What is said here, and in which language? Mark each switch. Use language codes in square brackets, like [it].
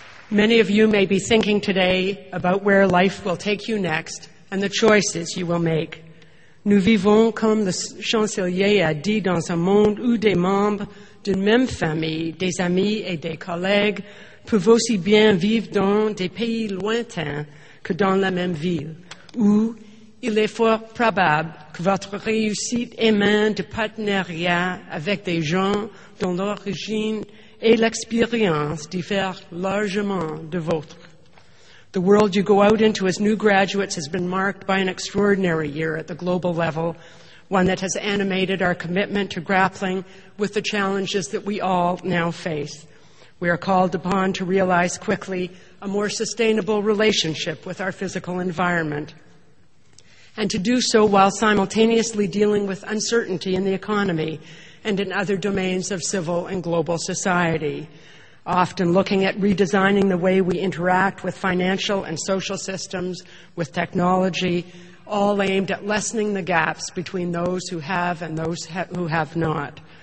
[en] Many of you may be thinking today about where life will take you next and the choices you will make. [fr] Nous vivons, comme le chancelier a dit, dans un monde où des membres d'une même famille, des amis et des collègues, peuvent aussi bien vivre dans des pays lointains que dans la même ville, où il est fort probable que votre réussite émane de partenariats avec des gens dont l'origine et l'expérience diffère largement de vôtre. [en] The world you go out into as new graduates has been marked by an extraordinary year at the global level, one that has animated our commitment to grappling with the challenges that we all now face. We are called upon to realize quickly a more sustainable relationship with our physical environment, and to do so while simultaneously dealing with uncertainty in the economy and in other domains of civil and global society, often looking at redesigning the way we interact with financial and social systems, with technology, all aimed at lessening the gaps between those who have and those who have not.